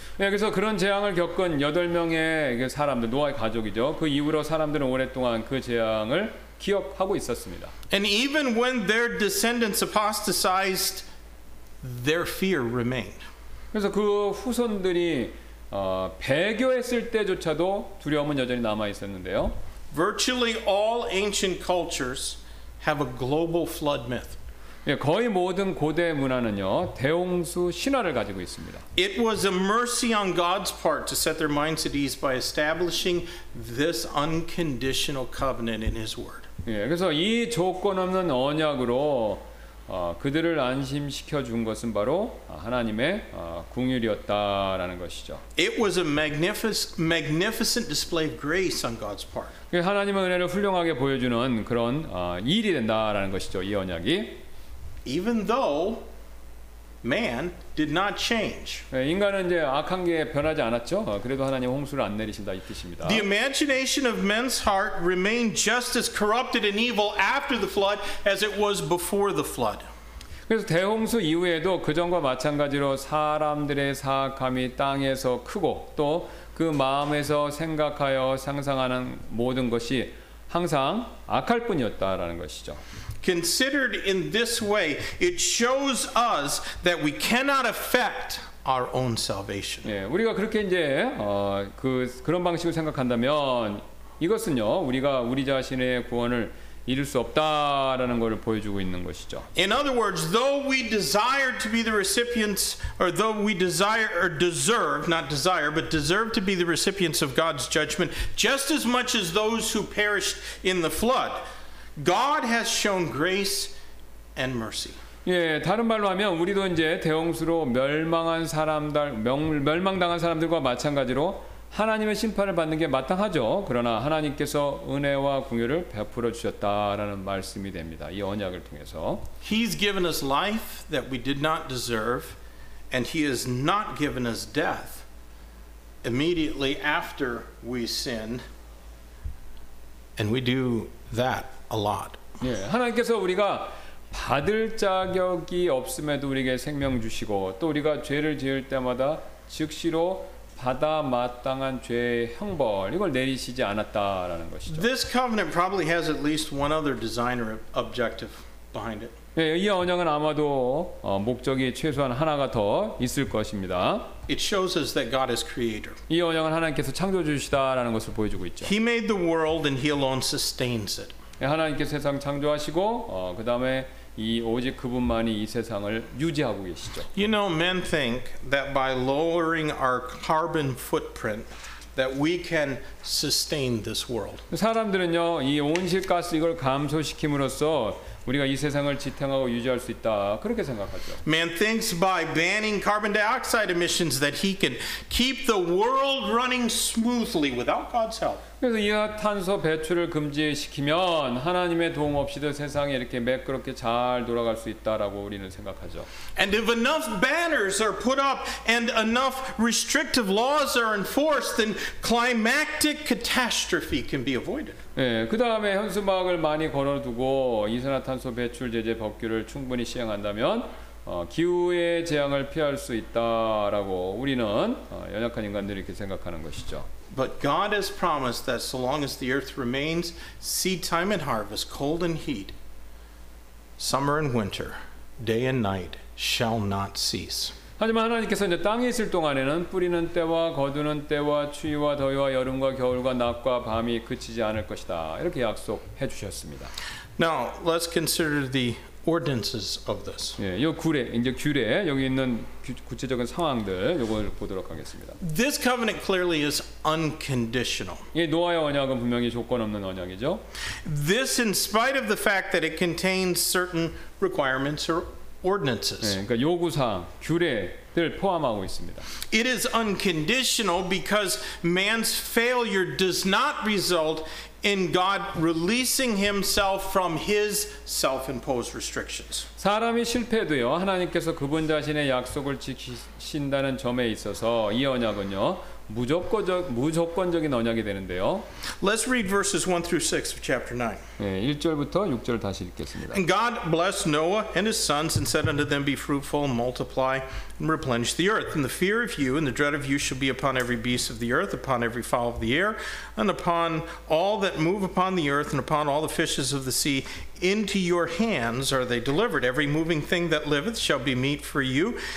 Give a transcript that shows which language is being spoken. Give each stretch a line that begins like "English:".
Korean: 예, 그래서 그런 재앙을 겪은 여덟 명의 사람들, 노아의 가족이죠. 그 이후로 사람들은 오랫동안 그 재앙을 기억하고 있었습니다.
English: And even when their descendants apostatized, their fear remained.
Korean: 그래서 그 후손들이 배교했을 때조차도 두려움은 여전히 남아 있었는데요.
English: Virtually all ancient cultures have a global flood myth.
Korean: 예, 거의 모든 고대 문화는요, 대홍수 신화를 가지고 있습니다.
English: It was a mercy on God's part to set their minds at ease by establishing this unconditional covenant in His word.
Korean: 예, 그래서 이 조건 없는 언약으로 그들을 안심시켜 준 것은 바로 하나님의 긍휼이었다라는 것이죠.
English: It was a magnificent display of grace on God's part.
Korean: 예, 하나님의 은혜를 훌륭하게 보여주는 그런 일이 된다라는 것이죠, 이 언약이.
English: Even though man did not change.
Korean: 인간은 이제 악한 게 변하지 않았죠. 그래도 하나님 홍수를 안 내리신다 이 뜻입니다.
English: The imagination of men's heart remained just as corrupted and evil after the flood as it was before the flood.
Korean: 그래서 대홍수 이후에도 그 전과 마찬가지로 사람들의 사악함이 땅에서 크고 또 그 마음에서 생각하여 상상하는 모든 것이 항상 악할 뿐이었다라는 것이죠.
English: Considered in this way, it shows us that we cannot affect our own salvation.
Korean: 예, 우리가 그렇게 이제 그런 방식을 생각한다면 이것은요, 우리가 우리 자신의 구원을 이룰 수 없다라는 것을 보여주고 있는 것이죠.
English: In other words, though we desire to be the recipients, or though we desire or deserve, not desire, but deserve to be the recipients of God's judgment, just as much as those who perished in the flood, God has shown grace and mercy.
Korean: 예, 다른 말로 하면 우리도 이제 대홍수로 멸망당한 사람들과 마찬가지로 하나님의 심판을 받는 게 마땅하죠. 그러나 하나님께서 은혜와 긍휼을 베풀어 주셨다라는 말씀이 됩니다. 이 언약을 통해서.
English: He's given us life that we did not deserve, and he has not given us death immediately after we sin. And we do that a lot.
Korean: 예, 하나님께서 우리가 받을 자격이 없음에도 우리에게 생명 주시고 또 우리가 죄를 지을 때마다 즉시로 받아 마땅한 죄의 형벌 이걸 내리시지 않았다라는 것이죠.
English: This covenant probably has at least one other design or objective behind it.
Korean: 예, 이 언약은 아마도 목적이 최소한 하나가 더 있을 것입니다.
English: It shows us that God is creator.
Korean: 이 언약은 하나님께서 창조주시다라는 것을 보여주고 있죠.
English: He made the world and he alone sustains it.
Korean: 하나님께서 세상 창조하시고 그 다음에 이 오직 그분만이 이 세상을 유지하고 계시죠.
English: You know, men think that by lowering our carbon footprint that we can sustain this world.
Korean: 사람들은요, 이 온실가스 이걸 감소시킴으로써 우리가 이 세상을 지탱하고 유지할 수 있다 그렇게 생각하죠.
English: Man thinks by banning carbon dioxide emissions that he can keep the world running smoothly without God's help.
Korean: 그래서 이산화탄소 배출을 금지시키면 하나님의 도움 없이도 세상이 이렇게 매끄럽게 잘 돌아갈 수 있다라고 우리는 생각하죠.
English: And if enough banners are put up and enough restrictive laws are enforced, then climactic catastrophe can be avoided.
Korean: 예, 그다음에 현수막을 많이 걸어 두고 이산화탄소 배출 제재 법규를 충분히 시행한다면 기후의 재앙을 피할 수 있다라고 우리는 연약한 인간들이 이렇게 생각하는 것이죠.
English: But God has promised that so long as the earth remains, seed time and harvest, cold and heat, summer and winter, day and night shall not cease.
Korean: 하지만 하나님께서 이제 땅에 있을 동안에는 뿌리는 때와 거두는 때와 추위와 더위와 여름과 겨울과 낮과 밤이 그치지 않을 것이다. 이렇게 약속해 주셨습니다.
English: Now, let's consider the ordinances of this.
Korean: 예, 규례 여기 있는 구체적인 상황들 요걸 보도록 하겠습니다.
English: This covenant clearly is unconditional.
Korean: 예, 노아의 언약은 분명히 조건 없는 언약이죠.
English: This in spite of the fact that it contains certain requirements or ordinances.
Korean: 예, 그러니까 요구사항, 규례를 포함하고 있습니다.
English: It is unconditional because man's failure does not result in God releasing himself from his self-imposed restrictions.
Korean: 사람이 실패해도요, 하나님께서 그분 자신의 약속을 지키신다는 점에 있어서 이 언약은요, 무조건적인 언약이 되는데요.
English: Let's read verses 1 through 6 of chapter 9.
Korean: 예, 1절부터 6절 다시 읽겠습니다.
English: And God blessed Noah and his sons and said unto them, Be fruitful and multiply and replenish the earth. And the fear of you and the dread of you shall be upon every beast of the earth, upon every fowl of the air, and upon all that move upon the earth, and upon all the fishes of the sea. Into your hands are they delivered. Every moving thing that liveth shall be meat for you.